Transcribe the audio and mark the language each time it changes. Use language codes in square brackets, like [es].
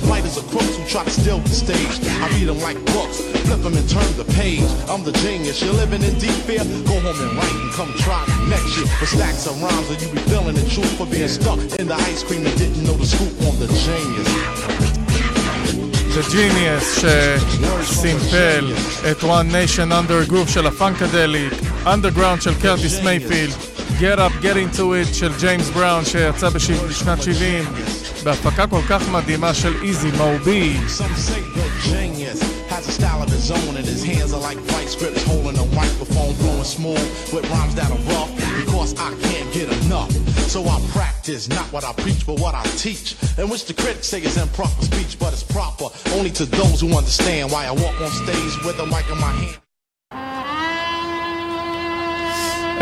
[en] Light as a crook who try to steal the stage. I beat them like books, flip them and turn the page. I'm the genius, you're living in deep fear. Go home and write and come try me next year. For stacks of rhymes, or you be feeling the truth for being stuck in the ice cream and didn't know the scoop on the genius. [he] The genius שסימפל את One Nation Under Groove של הפאנקדליק, Underground של קרטיס מייפילד, Get Up, Get Into It של ג'יימס בראון שיצא בשנת 70, בהפקה כל כך מדהימה של איזי מובי. [en] Has a style of his own and his hands are like white scripts holding a microphone flowing smooth with rhymes that are rough because I can't get enough. So I practice not what I preach but what I teach, in which the critics say is improper speech, but it's proper only to those who understand why I walk on stage with a mic in my hand.